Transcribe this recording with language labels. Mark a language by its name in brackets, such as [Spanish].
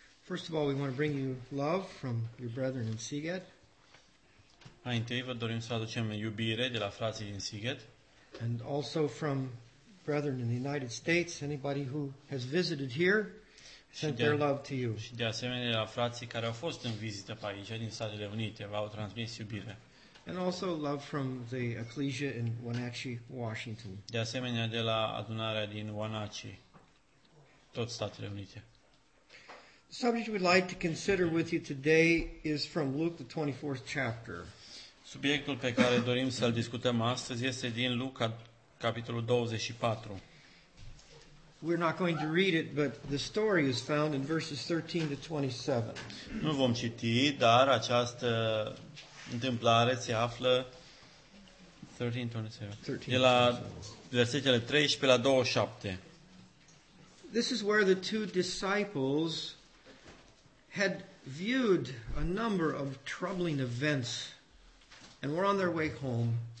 [English] First of all, we want to bring you love from your brethren in Siget. [Romanian] Mai întâi vă dorim să aducem iubire de la frații din Siget. [English] And also from brethren in the United States, anybody who has visited here, send their love to you. [Romanian] Și de asemenea de la frații care au fost în vizită pe aici din Statele Unite, v-au transmis iubire. [English] And also love from the ecclesia in Wenatchee, Washington. [Romanian] De asemenea de la adunarea din Wenatchee, tot Statele Unite. [English] The subject we'd like to consider with you today is from Luke, the 24th chapter. [Romanian] Subiectul pe care dorim să-l discutăm astăzi este din Luca, capitolul 24. [English] We're not going to read it, but the story is found in verses 13 to 27. [Romanian] Nu vom citi, dar această întâmplare se află 13-27. De la versetele 13 la 27. [English] This is where the two disciples had viewed a number of troubling events and were on their way home.